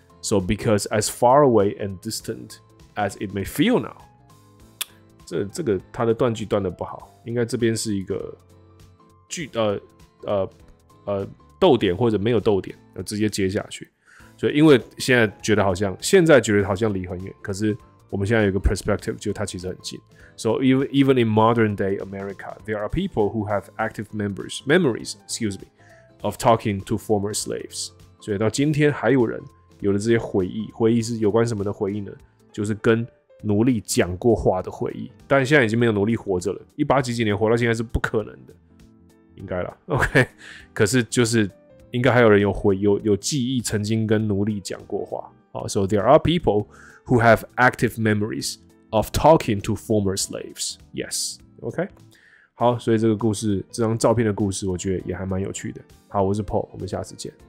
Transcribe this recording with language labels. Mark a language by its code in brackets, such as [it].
[en] So because as far away and distant as it may feel now， [zh] 这个它的断句断的不好，应该这边是一个句逗点或者没有逗点，直接接下去。所以因为现在觉得好像离很远，可是。我们现在有一个 perspective， 就它其实很近。 [en] So even in modern day America, there are people who have active memories, of talking to former slaves. [zh] 所以到今天还有人有了这些回忆，回忆是有关什么的回忆呢？就是跟奴隶讲过话的回忆。但现在已经没有奴隶活着了，一八几几年活到现在是不可能的，应该啦。 OK， 可是就是应该还有人有回忆，有记忆曾经跟奴隶讲过话。 [en] So there are people who have active memories of talking to former slaves. Yes. Okay. [zh] 好，所以这个故事，这张照片的故事，我觉得也还蛮有趣的。好，我是 Paul， 我们下次见。